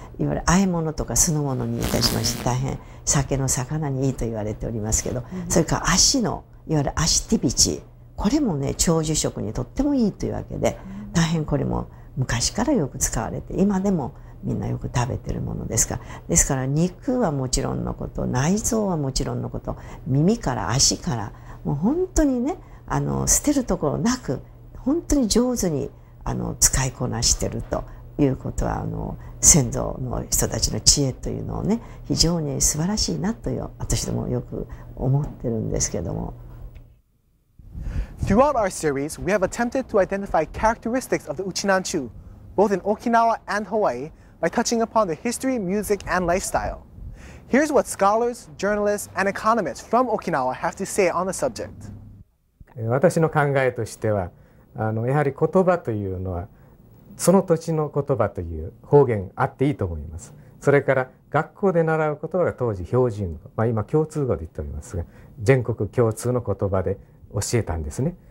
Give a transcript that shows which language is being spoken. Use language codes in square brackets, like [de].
[ja] ゆる和え物とか酢の物にいたしまして、大変酒の魚にいいと言われておりますけど、うん、それから足の、いわゆる足ティビチ、これもね、長寿食にとってもいいというわけで、大変これも昔からよく使われて、今でもみんなよく食べてるものですから、ですから肉はもちろんのこと、内臓はもちろんのこと、耳から足から、もう本当にね、捨てるところなく本当に上手に使いこなしてるということは、先祖の人たちの知恵というのをね、非常に素晴らしいなという私どもよく思ってるんですけども。 [en] Throughout our series, we have attempted to identify characteristics of the Uchinanchu, both in Okinawa and Hawaii,by touching upon the history, music, and lifestyle. Here's what scholars, journalists, and economists from Okinawa have to say on the subject. [ja] 私の考えとしては、やはり言葉というのは、その土地の言葉という方言あっていいと思います。それから学校で習う言葉が当時標準語、まあ、今共通語で言っておりますが、全国共通の言葉で教えたんですね。